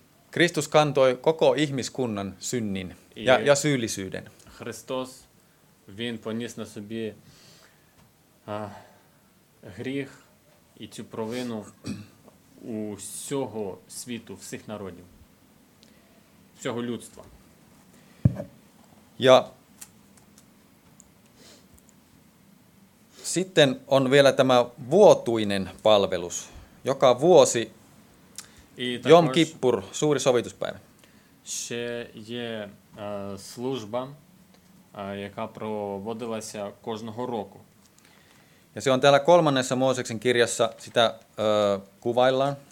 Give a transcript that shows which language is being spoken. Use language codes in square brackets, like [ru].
[fi] Kristus kantoi koko ihmiskunnan synnin ja syyllisyyden. [uk] Христос він поніс на собі гріх і цю провину усього світу, всіх народів, всього людства. [fi] Ja sitten on vielä tämä vuotuinen palvelus, joka vuosi Jom Kippur, suuri sovituspäivä. [uk] Ще є служба, яка проводилася кожного року. [fi] Ja se on täällä kolmannessa Mooseksen kirjassa, sitä kuvaillaan.